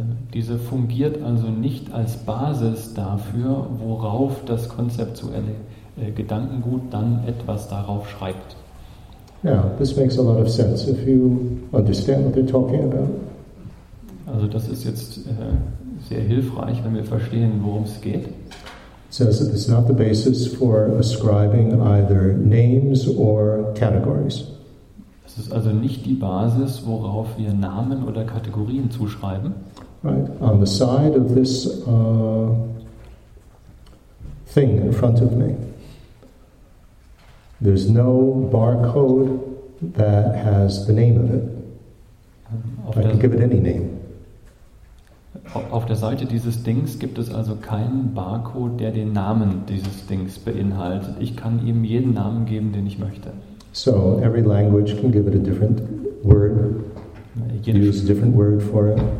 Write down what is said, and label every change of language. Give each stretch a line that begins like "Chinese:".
German: Diese fungiert also nicht als Basis dafür, worauf das konzeptuelle Gedankengut dann etwas darauf schreibt.
English: Now, this makes a lot of sense if you understand what they're talking about.
German: Also das ist jetzt sehr hilfreich, wenn wir verstehen, worum es geht.
English: It says that it's not the basis for ascribing either names or categories.
German: Es ist also nicht die Basis, worauf wir Namen oder Kategorien zuschreiben.
English: Right. On the side of this thing in front of me, there's no barcode that has the name of it. I can give it any name.
German: Auf der Seite dieses Dings gibt es also keinen Barcode, der den Namen dieses Dings beinhaltet. Ich kann ihm jeden Namen geben, den ich möchte.
English: So, every language can give it a different word. Use a different word for it.